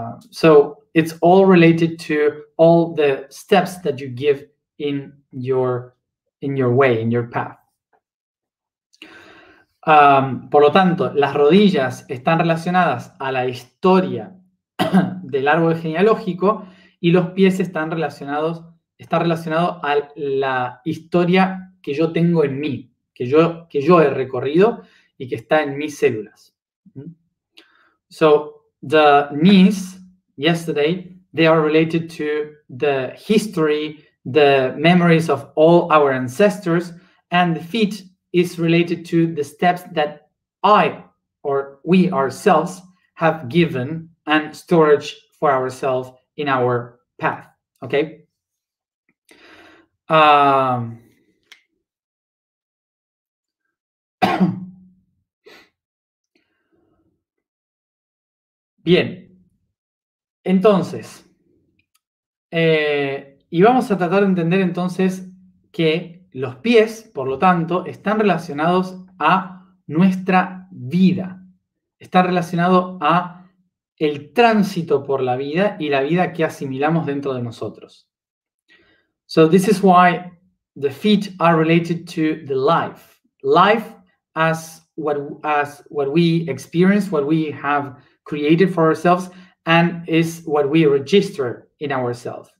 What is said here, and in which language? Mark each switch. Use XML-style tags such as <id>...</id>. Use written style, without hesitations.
<en>So it's all related to all the steps that you give in your way, in your path.</en> <es>Por lo tanto, las rodillas están relacionadas a la historia del árbol genealógico y los pies están relacionados a la historia que yo tengo en mí, que yo he recorrido y que está en mis células.</es> <en>So the knees yesterday, they are related to the history, the memories of all our ancestors, and the feet is related to the steps that I or we ourselves have given and stored for ourselves in our path, okay?</en> <es>Bien, entonces, y vamos a tratar de entender entonces que los pies, por lo tanto, están relacionados a nuestra vida. Está relacionado a el tránsito por la vida y la vida que asimilamos dentro de nosotros.</es> <en>So this is why the feet are related to the life. Life as what we experience, what we have created for ourselves, and is what we register in ourselves.</en>